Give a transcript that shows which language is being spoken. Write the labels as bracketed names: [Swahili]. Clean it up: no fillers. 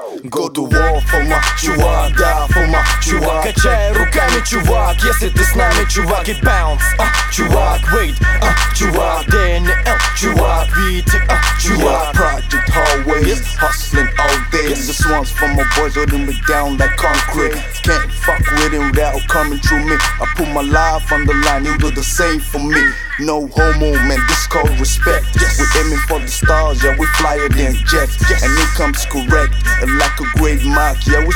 [English] Go to war for my [Russian] чувак, да, [English] for my [Russian] чувак. Качай руками, чувак, если ты с нами, чувак. И [English] bounce, [Russian] чувак, [English] wait, [Russian] чувак. Daniel, чувак, VT, чувак. [English] Project hallway, yes. Hustling all day, yes. This one's for my boys, holding me down like concrete, yeah. Can't fuck with him without coming through me. I put my life on the line, you do the same for me. No homo, man, this called respect, yes. We aiming for the stars, yeah, we flyer than jets, yes. And it comes correct, like a great mic, yeah.